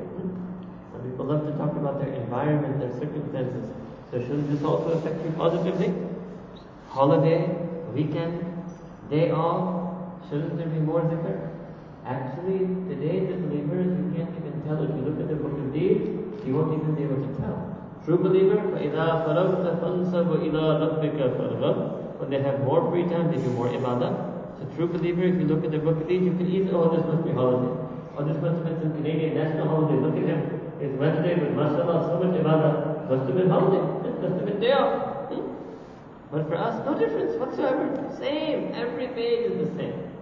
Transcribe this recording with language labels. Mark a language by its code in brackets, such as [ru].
[en] environment, their circumstances. So shouldn't this also affect you positively? Holiday, weekend, day off, shouldn't there be more zikr? Actually, today the believers, you can't even tell. If you look at the book of deeds, you won't even be able to tell. True believer, [ar] فَإِذَا فَرَغْتَ فَانْصَبْ وَإِذَا رَبِّكَ فَرْغَبْ. [en] When they have more free time, they do more ibadah. So true believer, if you look at the book of deeds, you can easily, oh, this must be holiday. Oh, this must have been some Canadian national holiday. Look at him. It's Wednesday, but mashallah, so much ibadah. Must have been holiday. Must have been day off. But for us, no difference whatsoever. Same. Every page is the same.